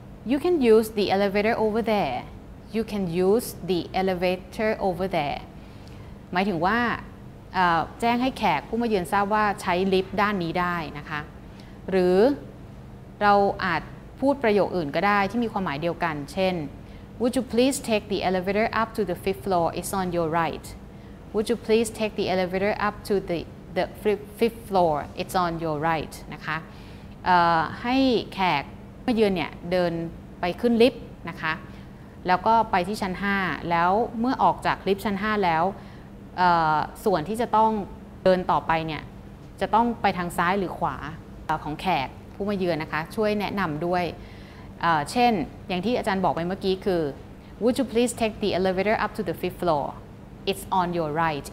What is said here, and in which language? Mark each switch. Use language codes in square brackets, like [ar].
[en] you can use the elevator over there [th] you can use the elevator over there หมายถึงว่าแจ้งให้แขกผู้มาเยือนทราบว่าใช้ลิฟต์ด้านนี้ได้นะคะหรือเราอาจพูดประโยคอื่นก็ได้ที่มีความหมายเดียวกันเช่น [en] Would you please take the elevator up to the fifth floor? It's on your right. Would you please take the elevator up to the fifth floor? It's on your right. [th] นะคะให้แขกมาเยือนเนี่ยเดินไปขึ้นลิฟต์นะคะแล้วก็ไปที่ชั้น5แล้วเมื่อออกจากลิฟต์ชั้น5แล้วส่วนที่จะต้องเดินต่อไปเนี่ยจะต้องไปทางซ้ายหรือขวาของแขกผู้มาเยือนนะคะช่วยแนะนำด้วยเช่นอย่างที่อาจารย์บอกไปเมื่อกี้คือ [en] Would you please take the elevator up to the fifth floor? It's on your right.